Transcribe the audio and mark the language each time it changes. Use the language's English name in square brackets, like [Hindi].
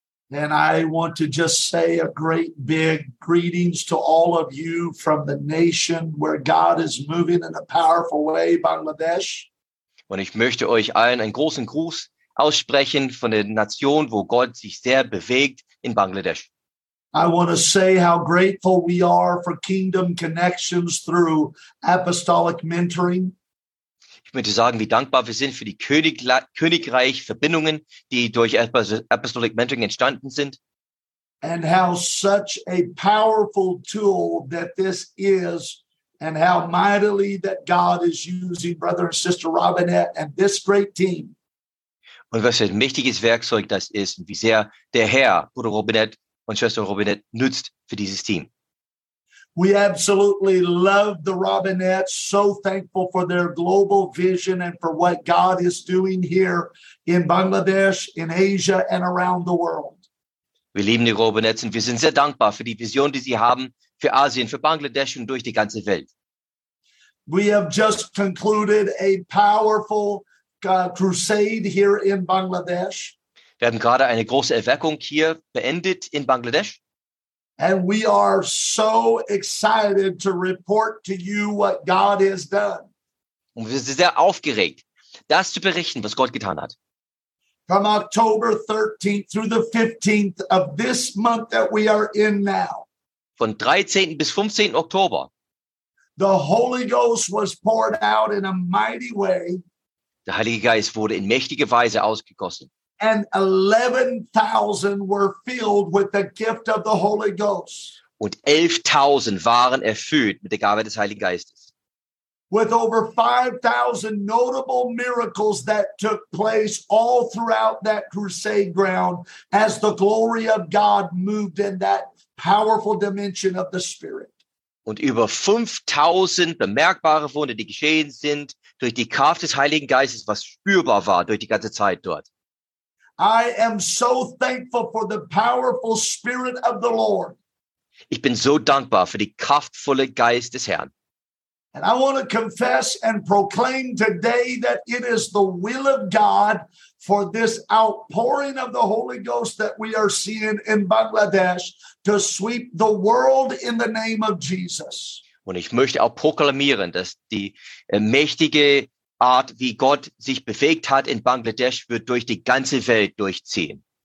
[English] And I want to just say a great big greetings to all of you from the nation where God is moving in a powerful way, Bangladesh. [German] Und ich möchte euch allen einen großen Gruß aussprechen von der Nation, wo Gott sich sehr bewegt, in Bangladesch. [English] I want to say how grateful we are for Kingdom Connections through Apostolic Mentoring. [German] Ich möchte sagen, wie dankbar wir sind für die Königreich-Verbindungen, die durch Apostolic Mentoring entstanden sind. [English] And how such a powerful tool that this is, and how mightily that God is using Brother and Sister Robinette and this great team. [German] Und was für ein mächtiges Werkzeug das ist, und wie sehr der Herr, Bruder Robinette und Schwester Robinette, nützt für dieses Team. [English] We absolutely love the Robinettes, so thankful for their global vision and for what God is doing here in Bangladesh, in Asia, and around the world. [German] Wir lieben die Robinettes und wir sind sehr dankbar für die Vision, die sie haben für Asien, für Bangladesch und durch die ganze Welt. [English] We have just concluded a powerful crusade here in Bangladesh. [German] Wir haben gerade eine große Erweckung hier beendet in Bangladesch. [English] And we are so excited to report to you what God has done. [German] Und wir sind sehr aufgeregt, das zu berichten, was Gott getan hat. [English] From October 13th through the 15th of this month that we are in now. [German] Von 13. bis 15. Oktober. [English] The Holy Ghost was poured out in a mighty way. [German] Der Heilige Geist wurde in mächtige Weise ausgegossen. [English] And 11,000 were filled with the gift of the Holy Ghost. [German] Und 11,000 waren erfüllt mit der Gabe des Heiligen Geistes. [English] With over 5,000 notable miracles that took place all throughout that crusade ground as the glory of God moved in that powerful dimension of the Spirit. [German] Und über 5,000 bemerkbare Wunder, die geschehen sind durch die Kraft des Heiligen Geistes, was spürbar war durch die ganze Zeit dort. [English] I am so thankful for the powerful Spirit of the Lord. [German] Ich bin so dankbar für die kraftvolle Geist des Herrn. [English] And I want to confess and proclaim today that it is the will of God for this outpouring of the Holy Ghost that we are seeing in Bangladesh to sweep the world in the name of Jesus. [German] Und ich möchte auch proklamieren, dass die mächtige Art, wie Gott sich bewegt hat in Bangladesch, wird durch die ganze Welt durchziehen.